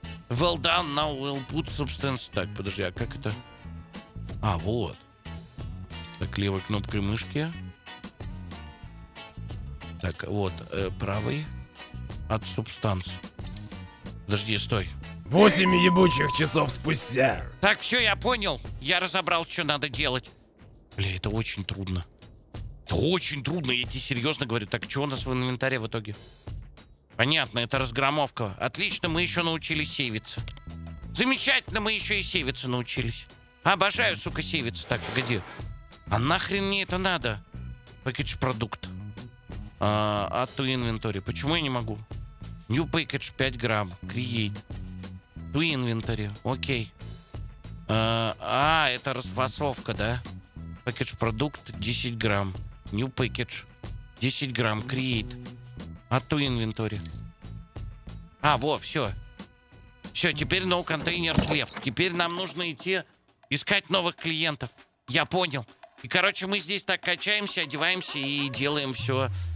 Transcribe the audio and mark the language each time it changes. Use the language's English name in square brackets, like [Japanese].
[English] Well done, now we'll put substance. [Russian] Так, подожди, а как это? А, вот. Так, левой кнопкой мышки. Так, вот, правый. От субстанции. Подожди, стой. 8 ебучих часов спустя. Так, все, я понял. Я разобрал, что надо делать. Бля, это очень трудно. Это очень трудно, я тебе серьезно говорю. Так, что у нас в инвентаре в итоге? Понятно, это разгромовка. Отлично, мы еще научились сейвиться. Замечательно, мы еще и сейвиться научились. Обожаю, сука, сейвиться. Так, погоди. А нахрен мне это надо? [English] Package [Russian] продукт. От ту инвентарь. Почему я не могу? [English] New package, 5 [Russian] грамм. [English] Create. [Russian] Ту инвентарь. Окей. Это расфасовка, да? [English] Package [Russian] продукт, 10 грамм. [English] New package, 10 [Russian] грамм. [English] Create. [Russian] От ту инвентарь. А, во, все. Все, теперь [English] no containers left. [Russian] Теперь нам нужно идти искать новых клиентов. Я понял. И, короче, мы здесь так качаемся, одеваемся и делаем все...